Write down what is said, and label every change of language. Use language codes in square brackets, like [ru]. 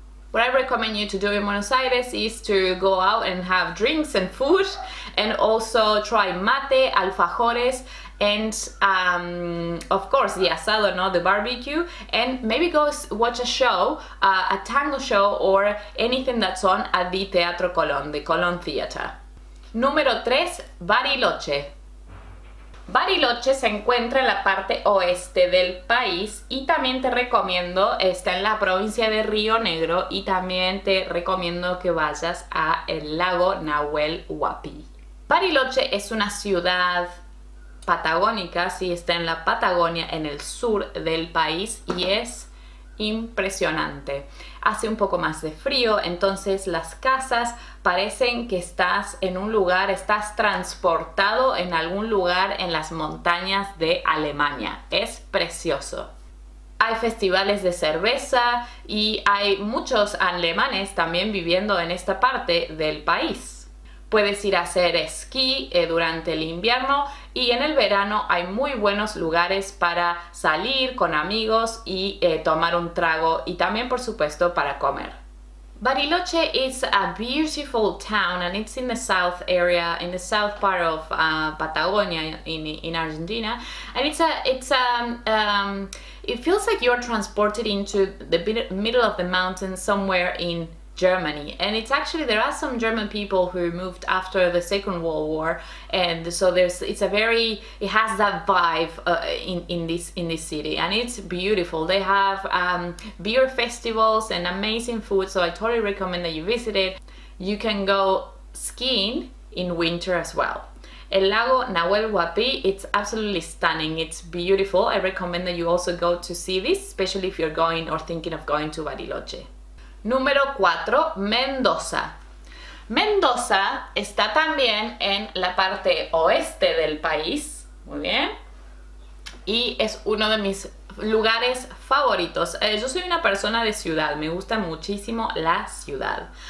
[en] What I recommend you to do in Buenos Aires is to go out and have drinks and food, and also try mate, alfajores, and of course the asado, no, the barbecue, and maybe go watch a show, a tango show or anything that's on at the Teatro Colón, the Colón Theater. [es] Número 3, Bariloche. Bariloche se encuentra en la parte oeste del país y también te recomiendo, está en la provincia de Río Negro, y también te recomiendo que vayas a el lago Nahuel Huapi. Bariloche es una ciudad patagónica, sí, está en la Patagonia, en el sur del país, y es impresionante. Hace un poco más de frío, entonces las casas parecen que estás en un lugar, estás transportado en algún lugar en las montañas de Alemania. Es precioso. Hay festivales de cerveza y hay muchos alemanes también viviendo en esta parte del país. Puedes ir a hacer esquí durante el invierno, y en el verano hay muy buenos lugares para salir con amigos y tomar un trago, y también por supuesto para comer. [en] Bariloche is a beautiful town, and it's in the south area, in the south part of Patagonia in Argentina, and it feels like you're transported into the middle of the mountains somewhere in Germany. And it's actually, there are some German people who moved after the Second World War, and so it has that vibe in this city, and it's beautiful. They have beer festivals and amazing food, so I totally recommend that you visit it. You can go skiing in winter as well. El Lago Nahuel Huapi, it's absolutely stunning. It's beautiful. I recommend that you also go to see this, especially if you're going or thinking of going to Bariloche. [es] Número 4, Mendoza. Mendoza está también en la parte oeste del país, muy bien, y es uno de mis lugares favoritos. Yo soy una persona de ciudad, me gusta muchísimo la ciudad.